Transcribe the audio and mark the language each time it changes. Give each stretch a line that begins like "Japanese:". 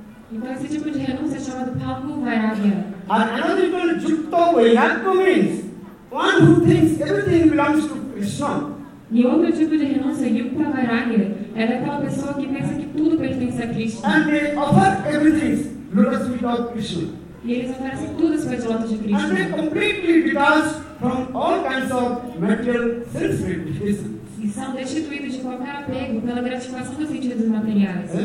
Portuguese: Então esse tipo de renúncia é chamado Bhargu Vairagya.
English: Another word Jukta Vairagya means one who thinks everything belongs to Krishna.
Portuguese: E outro tipo de renúncia, Yukta Vairagya, é aquela pessoa que pensa que tudo pertence a Krishna.
English: And they offer everything lotus feet of Krishna.
Portuguese: E eles oferecem tudo aos pés de lótus de Krishna.
English: And they completely detach from all kinds of material sense gratifications.
Portuguese: E são destituídos de qualquer apego pela gratificação dos sentidos materiais.